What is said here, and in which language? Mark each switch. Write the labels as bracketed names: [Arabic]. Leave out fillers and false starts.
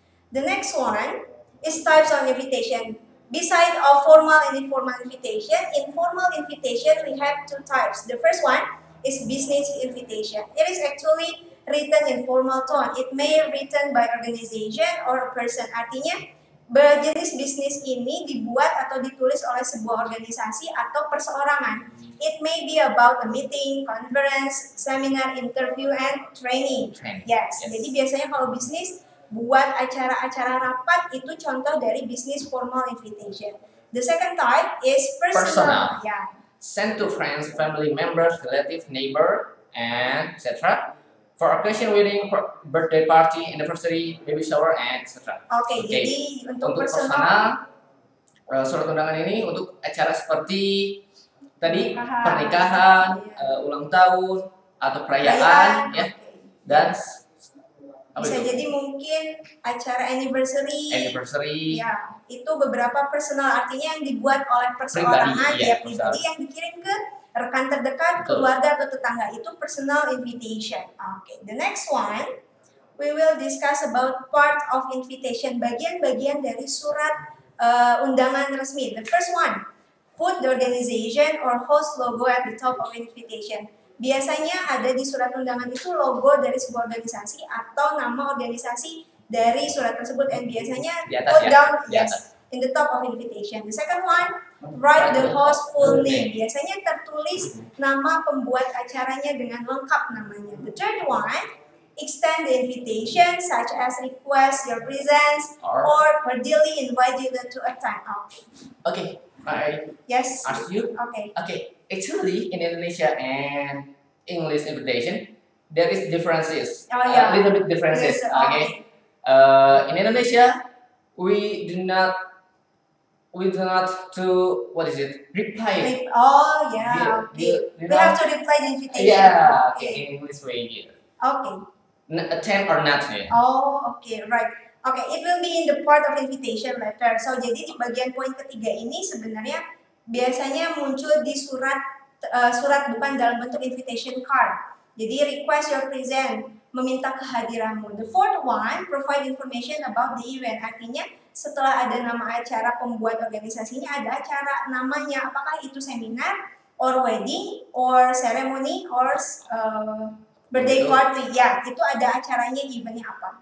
[English] The next one is types of invitation. Besides of formal and informal invitation, in formal invitation we have two types. The first one is business invitation. It is actually written in formal tone. It may be written by organization or a person. [Indonesian] Artinya, berjenis bisnis ini dibuat atau ditulis oleh sebuah organisasi atau perseorangan. [English] It may be about a meeting, conference, seminar, interview, and training. Yes. [Indonesian] Jadi biasanya kalau bisnis buat acara-acara rapat itu contoh dari business formal invitation. [English] The second type is personal. Yeah. Send to friends, family members, relative, neighbor, and etc. For occasion wedding, birthday party, anniversary, baby shower, and etc. Okay, okay. [Indonesian] Jadi untuk personal, surat undangan ini untuk acara seperti tadi, pernikahan, ulang tahun, atau perayaan, ya. Dan bisa jadi mungkin acara anniversary. Ya, itu beberapa personal, artinya yang dibuat oleh perseorangan, ya, pribadi yang dikirim ke rekan terdekat, keluarga atau tetangga, itu personal invitation. [English] Okay, the next one we will discuss about part of invitation, [Indonesian] bagian-bagian dari surat undangan resmi. [English] The first one, put the organization or host logo at the top of invitation. [Indonesian] Biasanya ada di surat undangan itu logo dari sebuah organisasi atau nama organisasi dari surat tersebut, and biasanya di atas, [English] put ya? Down [Indonesian] di atas. [English] Yes, in the top of invitation. The second one, write the host full name. [Indonesian] Biasanya tertulis nama pembuat acaranya dengan lengkap namanya. [English] The third one, extend the invitation such as request your presence or cordially invite you to attend. Oh. Okay, I yes. Ask you. Okay. Okay. Actually, in Indonesia and English invitation, there is differences. Oh yeah. A little bit differences. Yes, okay. Okay. In Indonesia, we do not reply. Oh yeah. Okay. We have to reply the invitation. Yeah. Okay. In English way here. Okay. Attend or not? Oh, okay, right. Okay, it will be in the part of invitation letter. [Indonesian] So, jadi di bagian poin ketiga ini sebenarnya biasanya muncul di surat surat bukan dalam bentuk invitation card. Jadi [English] request your presence, [Indonesian] meminta kehadiranmu. [English] The fourth one, provide information about the event. [Indonesian] Artinya setelah ada nama acara pembuat organisasinya, ada acara namanya, apakah itu [English] seminar or wedding or ceremony or birthday party, [Indonesian] ya, itu ada acaranya, eventnya apa.